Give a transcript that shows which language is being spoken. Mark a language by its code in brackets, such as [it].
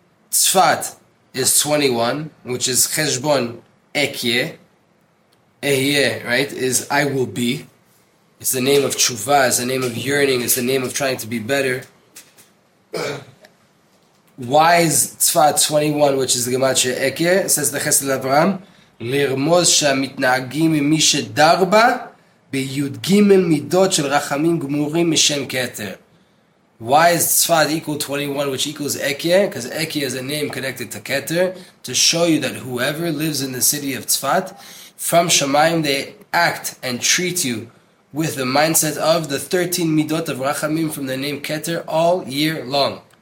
[en] Tzfat is 21, which is Cheshbon Ekyeh. Ehyeh, right, is I will be. It's the name of Tshuva, it's the name of yearning, it's the name of trying to be better. Why is Tzfat 21, which is the gematria Ekyeh, says the Chesed Avraham? [he] לרמוז שהמתנהגים עם מי שדר בה ביוד ג' מידות של רחמים גמורים משם כתר. [en] Why is Tzfat equal 21, which equals Ekye? Because Ekye is a name connected to Keter, to show you that whoever lives in the city of Tzfat, from Shemayim they act and treat you with the mindset of the 13 midot of rachamim from the name Keter all year long.